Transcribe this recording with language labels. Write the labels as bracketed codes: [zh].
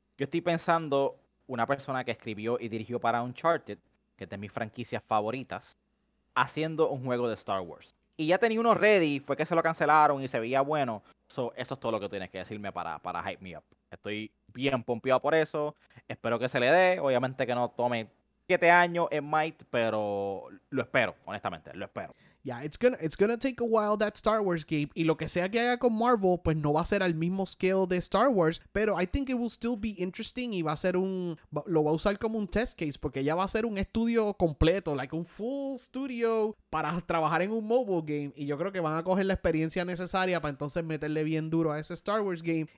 [es] Yo estoy pensando una persona que escribió y dirigió para Uncharted, que es de mis franquicias favoritas, haciendo un juego de Star Wars. Y ya tenía uno ready, fue que se lo cancelaron y se veía bueno. So, eso es todo lo que tienes que decirme para [en] hype me up. [es] Estoy bien pompeado por eso. Espero que se le dé. Obviamente que no tome 7 años en Might, pero lo espero, honestamente, lo espero. [en] Yeah, it's gonna take a while, that Star Wars game. [es] Y lo que sea que haga con Marvel, pues no va a ser al mismo scale de Star Wars. Pero [en] I think it will still be interesting [es] y va a ser un... Lo va a usar como un test case porque ya va a ser un estudio completo, like un full studio para trabajar en un mobile game. Y yo creo que van a coger la experiencia necesaria para entonces meterle bien duro a ese Star Wars game.